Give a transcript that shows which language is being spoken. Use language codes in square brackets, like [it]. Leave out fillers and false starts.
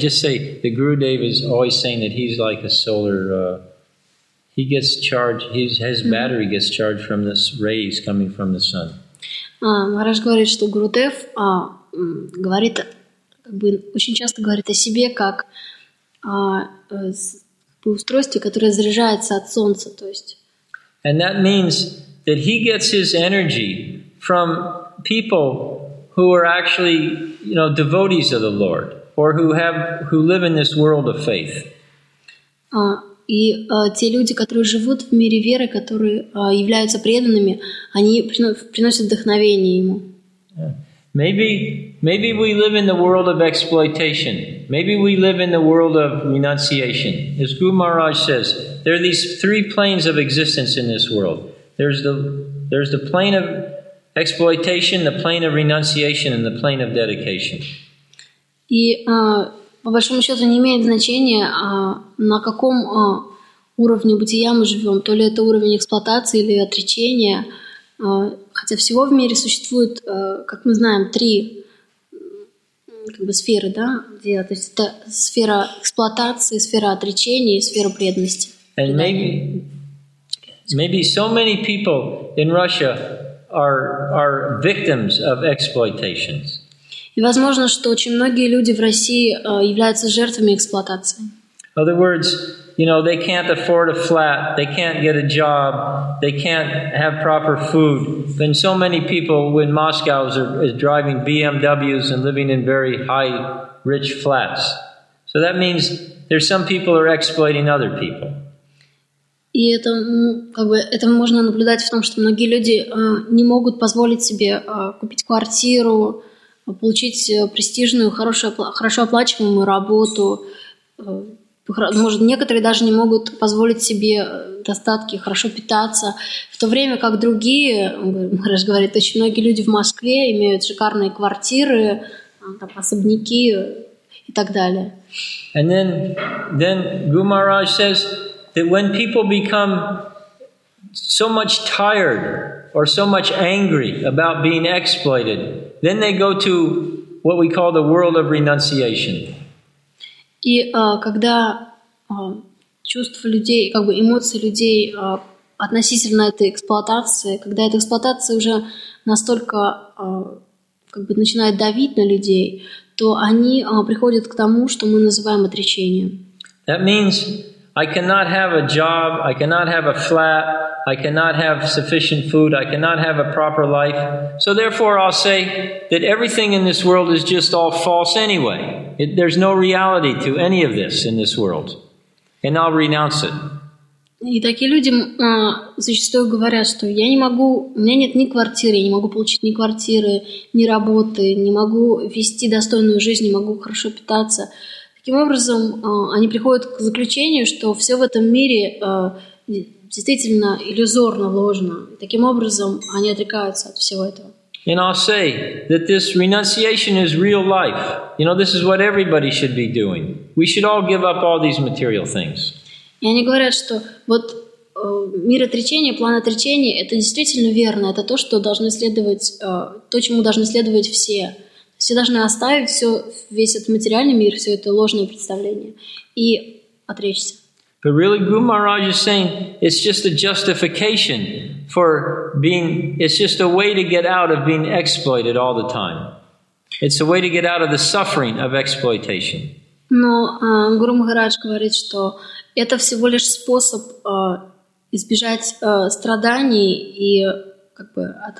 [en] Just say the Gurudev is always saying that he's like a solar. He gets charged. His mm-hmm. battery gets charged from this rays coming from the sun. [ru] Maharaj говорит, что Гурудев говорит, как бы очень часто говорит о себе как по устройстве, которое заряжается от солнца, то есть. [en] And that means that he gets his energy from people who are actually, you know, devotees of the Lord, or who live in this world of faith. [ru] И те люди, которые живут в мире веры, которые являются преданными, они приносят вдохновение ему. [en] Maybe we live in the world of exploitation. Maybe we live in the world of renunciation. As Guru Maharaj says, there are these three planes of existence in this world. There's the plane of exploitation, the plane of renunciation, and the plane of dedication. [ru] И по большому счету не имеет значения, на каком уровне бытия мы живем, то ли это уровень эксплуатации или отречения. Хотя всего в мире существует, как мы знаем, три как бы сферы, да, где, то есть это сфера эксплуатации, сфера отречения и сфера преданности. [en] And maybe so many people in Russia are victims of exploitations. [ru] И возможно, что очень многие люди в России являются жертвами эксплуатации. [en] In other words, you know, they can't afford a flat, they can't get a job, they can't have proper food. And so many people in Moscow is driving BMWs and living in very high, rich flats. So that means there's some people are exploiting other people. [ru] И это, как бы, это можно наблюдать в том, что многие люди не могут позволить себе купить квартиру, получить престижную, хорошую, хорошо оплачиваемую работу. Может, некоторые даже не могут позволить себе достатки, хорошо питаться, в то время как другие, Мараш говорит, очень многие люди в Москве имеют шикарные квартиры, там, особняки и так далее. [en] And then Guru Maharaj says that when people become so much tired or so much angry about being exploited, then they go to what we call the world of renunciation. [ru] И когда чувства людей, как бы эмоции людей относительно этой эксплуатации, когда эта эксплуатация уже настолько как бы начинает давить на людей, то они приходят к тому, что мы называем отречением. [en] That means I cannot have a job, I cannot have a flat, I cannot have sufficient food, I cannot have a proper life. So therefore I'll say that everything in this world is just all false anyway. There's no reality to any of this in this world. And I'll renounce it. [ru] И такие люди зачастую говорят, что я не могу, у меня нет ни квартиры, я не могу получить ни квартиры, ни работы, не могу вести достойную жизнь, не могу хорошо питаться. Таким образом, они приходят к заключению, что все в этом мире действительно иллюзорно, ложно. Таким образом, они отрекаются от всего этого. [en] And I'll say that this renunciation is real life. You know, this is what everybody should be doing. We should all give up all these material things. [ru] И они говорят, что вот мир отречения, план отречения, это действительно верно. Это то, что должны следовать, то, чему должны следовать все. Все должны оставить все, весь этот материальный мир, все это ложное представление, и отречься. [en] But really, Guru Maharaj is saying it's just a justification for being, it's just a way to get out of being exploited all the time. It's a way to get out of the suffering of exploitation. [ru] Но Гуру Махарадж говорит, что это всего лишь способ избежать страданий и как бы